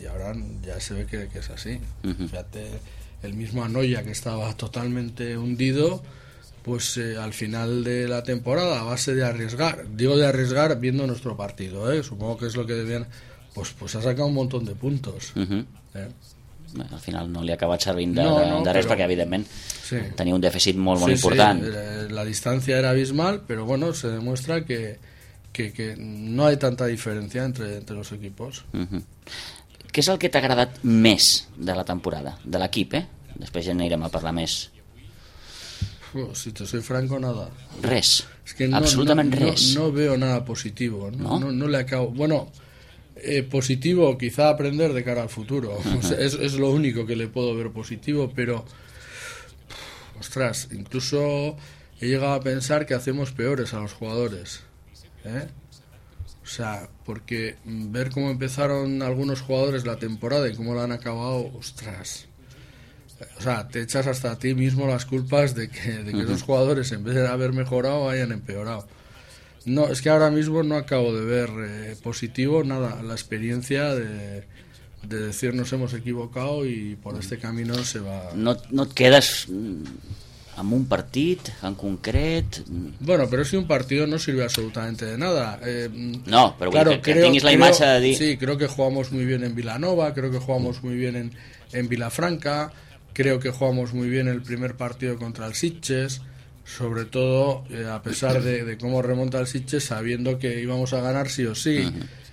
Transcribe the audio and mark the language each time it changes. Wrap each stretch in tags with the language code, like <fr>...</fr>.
<es>Y ahora ya se ve que es así. Fíjate, el mismo Anoia, que estaba totalmente hundido, pues al final de la temporada, a base de arriesgar, digo de arriesgar viendo nuestro partido, supongo que es lo que debían, pues ha sacado un montón de puntos.</es> <ca>Al final no li ha acabat servint de res, perquè evidentment tenia un dèficit molt important. La distància era abismal, però bueno, se demostra</ca> <es>que no hay tanta diferencia entre los equipos.</es> <ca>¿Qué es el que te ha agradat més de la temporada, de l'equip, eh? Després ja anirem a parlar més.</ca> <es>Si te soy franco, nada.</es> <ca>Res. Es que absolutament res.</ca> <es>No veo nada positivo. No le acabo... Bueno, positivo quizá aprender de cara al futuro. O sea, es lo único que le puedo ver positivo, pero... Ostras, incluso he llegado a pensar que hacemos peores a los jugadores. O sea, porque ver cómo empezaron algunos jugadores la temporada y cómo la han acabado, ostras... O sea, te echas hasta a ti mismo las culpas de que esos jugadores, en vez de haber mejorado, hayan empeorado. No, es que ahora mismo no acabo de ver positivo nada la experiencia de decir nos hemos equivocado y por este camino se va...</es> <ca>No et quedes amb un partit en concret?</ca> <es>Bueno, pero si un partido no sirve absolutamente de nada.</es> <ca>Pero tinguis la imatge de dir...</ca> <es>Sí, creo que jugamos muy bien en Vilanova, creo que jugamos muy bien en Vilafranca... Creo que jugamos muy bien el primer partido contra el Sitges, sobre todo a pesar de cómo remonta el Sitges, sabiendo que íbamos a ganar sí o sí. Uh-huh.</es>